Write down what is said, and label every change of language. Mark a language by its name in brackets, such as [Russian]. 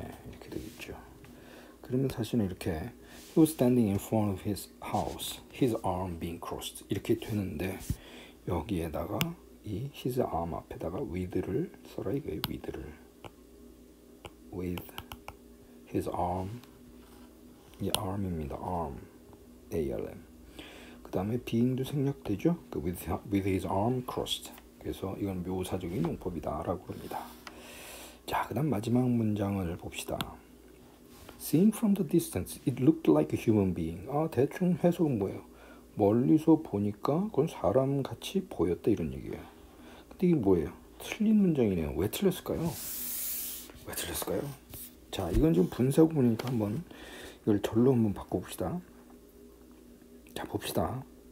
[Korean] 이렇게 되겠죠. 그러면 사실은 이렇게 [English] he was standing in front of his house, his arm being crossed [Korean] 이렇게 되는데 여기에다가 이 his arm 앞에다가 with를 써라 이거에 with를 [English] with his arm [Korean] 이 arm입니다. arm ALM 그 다음에 being도 생략되죠. [English] with his arm crossed. [Korean] 그래서 이건 묘사적인 용법이다 라고 합니다. 자, 그 다음 마지막 문장을 봅시다. [English] Seen from the distance, it looked like a human being. [Korean] 아, 대충 해석은 뭐예요? 멀리서 보니까 그건 사람 같이 보였다 이런 얘기예요. 근데 이게 뭐예요? 틀린 문장이네요. 왜 틀렸을까요? 왜 틀렸을까요? 자, 이건 지금 분석을 보니까 한번 이걸 절로 한번 바꿔봅시다. 자, 봅시다.